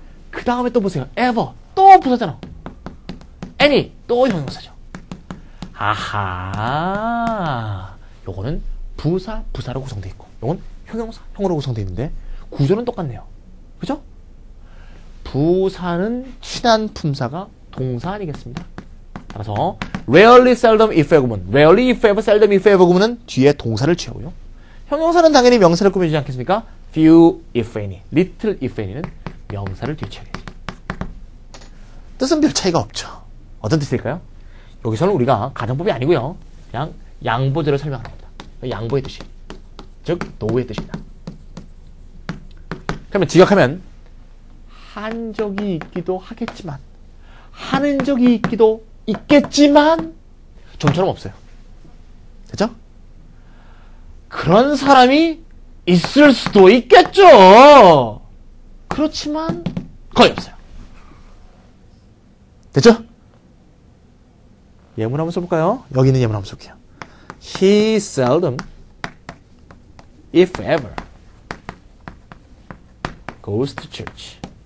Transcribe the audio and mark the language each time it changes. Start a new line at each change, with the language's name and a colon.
Korean: 그 다음에 또 보세요. Ever. 또 부사잖아. Any. 또 형용사죠. 아하. 요거는 부사, 부사로 구성되어 있고, 요건 형용사, 형으로 구성되어 있는데, 구조는 똑같네요. 그죠? 부사는 친한 품사가 동사 아니겠습니다. 따라서, rarely, seldom, if ever 구문. rarely, if ever, seldom, if ever 구문은 뒤에 동사를 취하고요. 형용사는 당연히 명사를 꾸며주지 않겠습니까? few, if any. little, if any는 명사를 뒤에 취하겠죠. 뜻은 별 차이가 없죠. 어떤 뜻일까요? 여기서는 우리가 가정법이 아니고요. 그냥 양보제를 설명하는 겁니다. 양보의 뜻이. 즉, 노후의 뜻입니다. 그러면 지각하면, 한 적이 있기도 하겠지만, 하는 적이 있기도 있겠지만, 좀처럼 없어요. 됐죠? 그런 사람이 있을 수도 있겠죠! 그렇지만, 거의 없어요. 됐죠? 예문 한번 써볼까요? 여기 있는 예문 한번 써볼게요.
English: He seldom, if ever, goes to church.